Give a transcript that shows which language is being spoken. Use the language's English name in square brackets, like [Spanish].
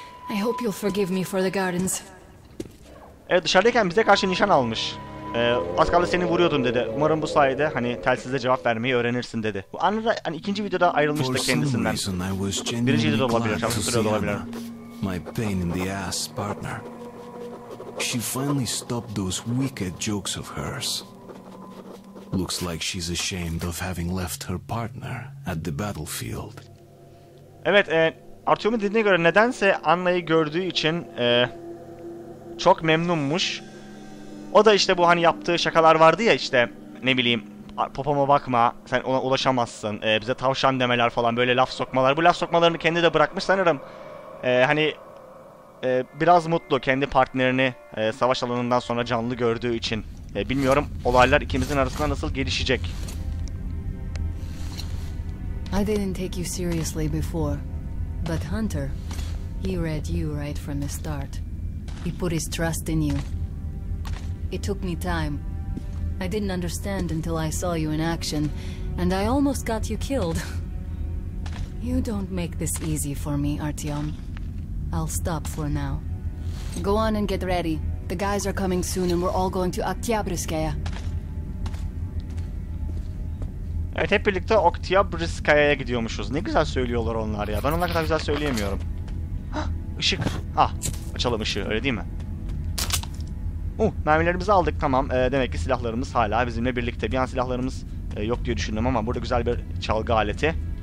[English] I hope you'll forgive me for the gardens. [Turkish] Evet, dışarıdayken bize karşı nişan almış. Az kaldı seni vuruyordum dedi. Umarım bu sayede hani telsize cevap vermeyi öğrenirsin dedi. Bu anında hani ikinci videoda ayrılmıştı kendisinden. Birinci videoda olabilir, çalıştırıyor olabilir. [English] My pain in the ass partner. She finally stopped those wicked jokes of hers. Looks like she's ashamed of having left her partner at the battlefield. [Turkish] Evet, Artyom'un dediğine göre nedense Anna'yı gördüğü için çok memnunmuş. O da işte bu hani yaptığı şakalar vardı ya işte, ne bileyim, popoma bakma, sen ona ulaşamazsın, bize tavşan demeler falan, böyle laf sokmalar. Bu laf sokmalarını kendi de bırakmış sanırım. Hani biraz mutlu kendi partnerini savaş alanından sonra canlı gördüğü için. Bilmiyorum olaylar ikimizin arasında nasıl gelişecek. [English] I didn't take you seriously before, but Hunter, he read you right from the start. He put his trust in you. It took me time. I didn't understand until I saw you in action, and I almost got you killed. You don't make this easy for me, Artyom. I'll stop for now. Go on and get ready. The guys are coming soon and we're all going to Oktyabrskaya. [Turkish] Evet, hep birlikte Oktyabrskaya'ya gidiyormuşuz. Ne güzel söylüyorlar onlar ya. Ben onlar kadar güzel söyleyemiyorum. Işık. Ah, açalım ışığı, öyle değil mi? Mermilerimizi aldık, tamam. Demek ki silahlarımız hala bizimle birlikte. Bir an silahlarımız yok diye düşündüm ama burada güzel bir çalgı aleti.